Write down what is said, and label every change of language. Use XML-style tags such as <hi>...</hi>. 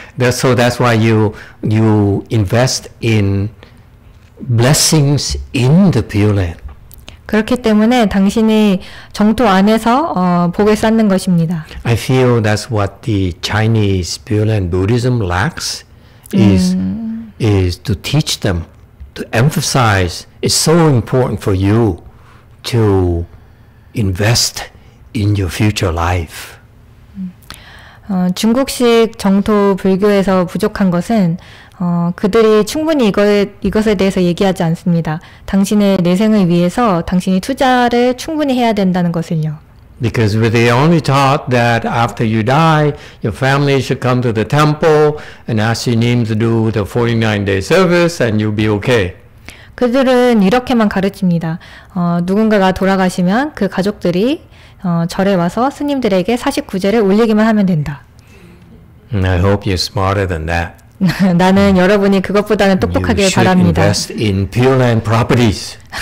<en>So that's why you invest in blessings in the Pure Land.</en> <ko>그렇기 때문에 당신이 정토 안에서 복을 쌓는 것입니다.</ko> <en>I feel that's what the Chinese Pure Land Buddhism lacks is to teach them to emphasize. It's so important for you to invest in your future life.</en> <ko>중국식 정토 불교에서 부족한 것은 그들이 충분히 이것에 대해서 얘기하지 않습니다. 당신의 내생을 위해서 당신이 투자를 충분히 해야 된다는 것을요.</ko> <en>Because they only taught that after you die, your family should come to the temple and ask your name to do the 49-day service and you'll be okay.</en> <ko>그들은 이렇게만 가르칩니다. 누군가가 돌아가시면 그 가족들이 절에 와서 스님들에게 49제를 올리기만 하면 된다.</ko> <en>I hope you're smarter than that.</en> <ko>나는 여러분이 그것보다는 똑똑하길 바랍니다.</ko> <en>You should invest in Pure Land properties.</en>